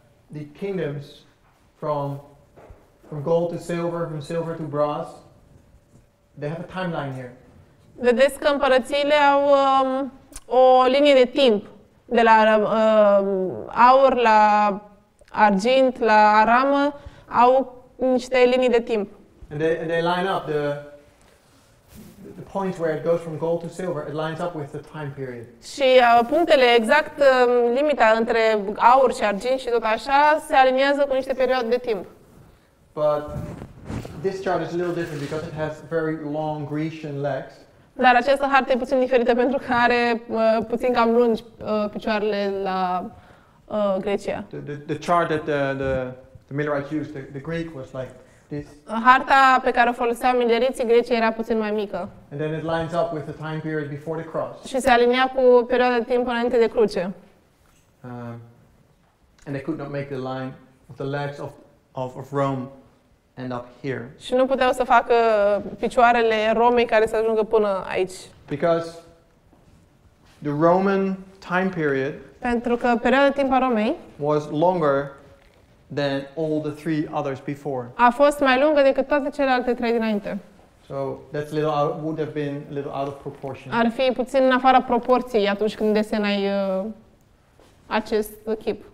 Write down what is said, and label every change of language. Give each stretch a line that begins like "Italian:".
English: The kingdoms from gold to silver, from silver to brass. They have a timeline here.
Romanian: Vedeți că împărățiile au o linie de timp, de la aur la argint, la aramă, au niște linii de timp.
English: And they line up the point where it goes from gold to silver, it lines up with the time period.
Romanian: Și punctele exact limita între aur și argint și tot așa se aliniază cu niște perioade de timp.
English: But this chart is a little different because it has very long Grecian legs.
Romanian: Dar această hartă e puțin diferită pentru că are puțin cam lungi picioarele la Grecia.
English: The chart that the Millerites used, the Greek was like this.
Romanian: Harta pe care o foloseau mileriții grecii era puțin mai mică.
English: And then it lines up with the time period before the cross.
Romanian: Și se alinea cu perioada de timp înainte de cruce.
English: And they could not make the line with the legs of Rome end up here.
Romanian: Și nu puteau să facă picioarele Romei care să ajungă până aici.
English: Because the Roman time period.
Romanian: Pentru că perioada de timp a Romei
English: was longer than all the three others before.
Romanian: A fost mai lungă decât toate celelalte trei dinainte.
English: So that's a little would have been a little out of proportion.
Romanian: Ar fi puțin în afara proporției atunci când desenai acest chip.